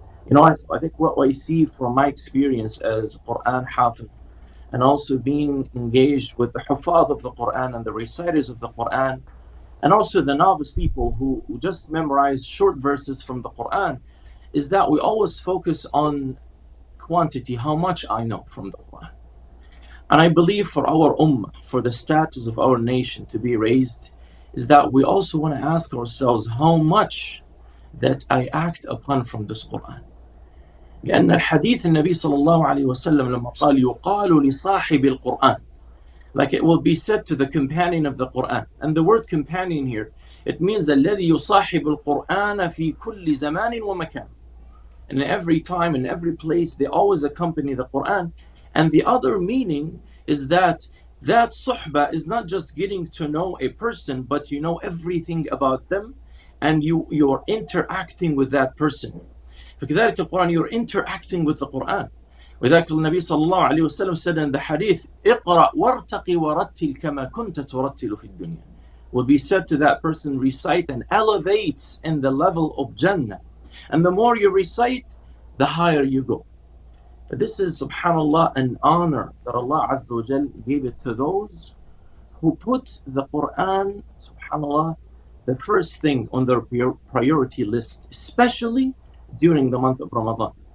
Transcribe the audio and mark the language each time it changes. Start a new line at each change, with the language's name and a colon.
English: You know, I think what I see from my experience as Quran hafiz, and also being engaged with the hafaz of the Quran and the reciters of the Quran, and also the novice people who just memorize short verses from the Quran, is that we always focus on quantity, how much I know from the Quran. And I believe for our ummah, for the status of our nation to be raised, is that we also want to ask ourselves how much that I act upon from this Quran.
Arabic: لأن الحديث النبي صلى الله عليه وسلم لما قال يقال لصاحب القرآن.
English: Like it will be said to the companion of the Quran. And the word companion here, it means
Arabic: الذي يصاحب القرآن في كل زمان ومكان.
English: In every time, in every place, they always accompany the Quran. And the other meaning is that suhba is not just getting to know a person, but you know everything about them, and you're interacting with that person.
Arabic: فكذلك القرآن,
English: you're interacting with the Quran.
Arabic: وذلك النبي صلى الله عليه وسلم
English: said in the hadith,
Arabic: اقرأ وارتقي ورتل كما كنت ترتل في الدنيا.
English: Will be said to that person, recite and elevates in the level of Jannah. And the more you recite, the higher you go. But this is, subhanAllah, an honor that Allah Azza wa Jal gave it to those who put the Quran, subhanAllah, the first thing on their priority list, especially during the month of Ramadan.